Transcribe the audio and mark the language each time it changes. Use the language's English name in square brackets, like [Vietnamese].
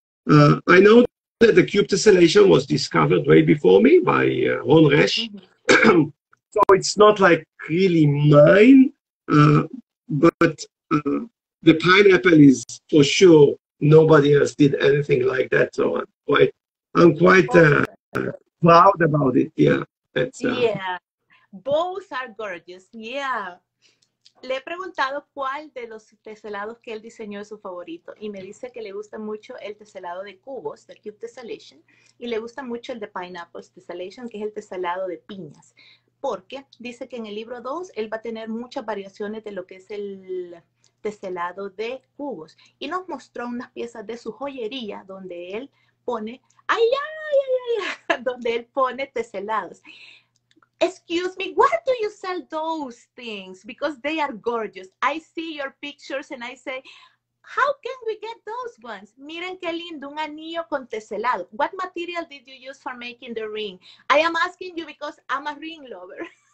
[English] I know that the cube tessellation was discovered way before me by Ron Resch. Mm-hmm. So it's not like really mine, but the pineapple is for sure. Nobody else did anything like that, so I'm quite proud about it. Yeah, that's both are gorgeous. [Spanish] Yeah, le he preguntado cuál de los teselados que él diseñó es su favorito, y me dice que le gusta mucho el teselado de cubos, [English] the cube tessellation, [Spanish] y le gusta mucho el de [English] pineapples tessellation, [Spanish] que es el teselado de piñas, porque dice que en el libro 2 él va a tener muchas variaciones de lo que es el teselado de cubos. Y nos mostró unas piezas de su joyería donde él pone, ay, ay, ay, ay, ay, donde él pone teselados. [English] Excuse me, where do you sell those things? Because they are gorgeous. I see your pictures and I say, how can we get those ones? [Spanish] Miren qué lindo, un anillo con teselado. [English] What material did you use for making the ring? I am asking you because I'm a ring lover.